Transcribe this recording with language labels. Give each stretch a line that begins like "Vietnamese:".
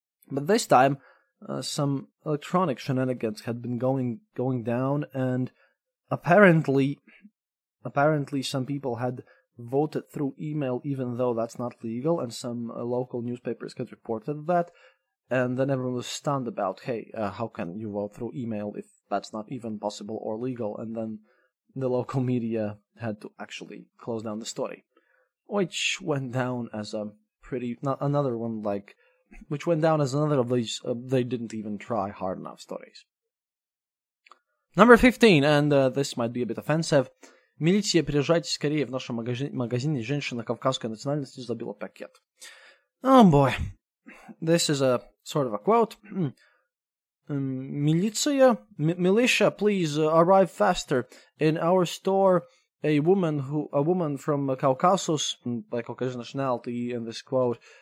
English: But this time, some electronic shenanigans had been going down, and apparently some people had voted through email even though that's not legal, and some local newspapers had reported that, and then everyone was stunned about, hey, how can you vote through email if that's not even possible or legal, and then the local media had to actually close down the story, which went down as a pretty, not another one like, which went down as another of these they didn't even try hard enough stories. Number 15, and this might be a bit offensive.
Russian: Милиция, приезжайте скорее в нашем магазине. Женщина кавказской национальности забила пакет.
English: Oh boy, this is a sort of a quote. Милиция, militia, please arrive faster. In our store, a woman from Caucasus, by Caucasian nationality, in this quote.